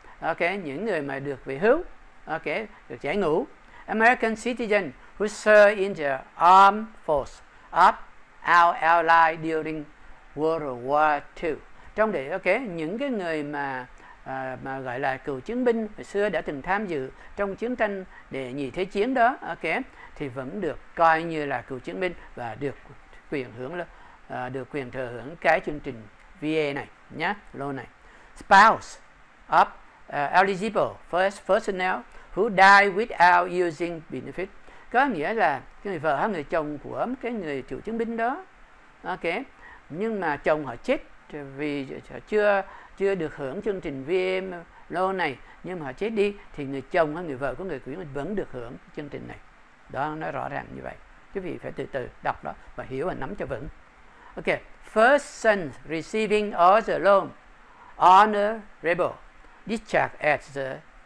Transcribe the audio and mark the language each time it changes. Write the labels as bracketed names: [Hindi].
[Vietnamese] Ok, những người mà được về hưu, được giải ngũ. [English] American citizen who served in the armed force of our ally during World War II. [Vietnamese] Trong đấy, những cái người mà gọi là cựu chiến binh hồi xưa đã từng tham dự trong chiến tranh đệ nhị thế chiến đó, thì vẫn được coi như là cựu chiến binh và được quyền hưởng thừa hưởng cái chương trình VA này nhá, loan này. [English] Spouse of eligible first personnel who died without using benefit, [Vietnamese] có nghĩa là cái người vợ hay người chồng của cái người cựu chiến binh đó, nhưng mà chồng họ chết vì chưa được hưởng chương trình VA loan này nhưng mà họ chết đi thì người chồng hay người vợ của người cựu chiến binh vẫn được hưởng chương trình này. Đó, nó rõ ràng như vậy. Quý vị phải từ từ đọc đó và hiểu và nắm cho vững. [English] Ok, first son receiving all the loan honorable discharge at the